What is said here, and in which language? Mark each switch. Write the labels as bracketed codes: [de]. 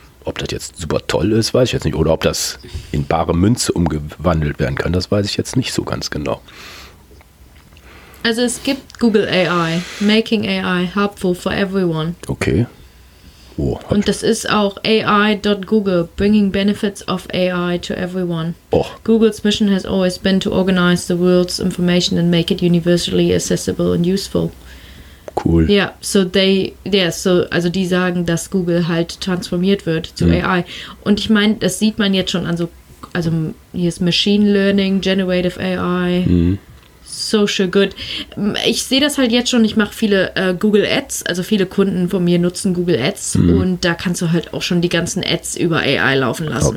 [de] Ob das jetzt super toll ist, weiß ich jetzt nicht. Oder ob das in bare Münze umgewandelt werden kann, das weiß ich jetzt nicht so ganz genau. Also es gibt [en] Google AI, making AI helpful for everyone. Okay. [de] Oh, und das ist auch [en] AI.Google, bringing benefits of AI to everyone. Oh. Google's mission has always been to organize the world's information and make it universally accessible and useful. Cool. [de] Ja, [en] yeah, so they, yeah, so, [de] also die sagen, dass Google halt transformiert wird zu AI. Und ich meine, das sieht man jetzt schon an so, also hier ist Machine Learning, Generative AI, Social Good. Ich sehe das halt jetzt schon, ich mache viele Google Ads, also viele Kunden von mir nutzen Google Ads und da kannst du halt auch schon die ganzen Ads über AI laufen lassen.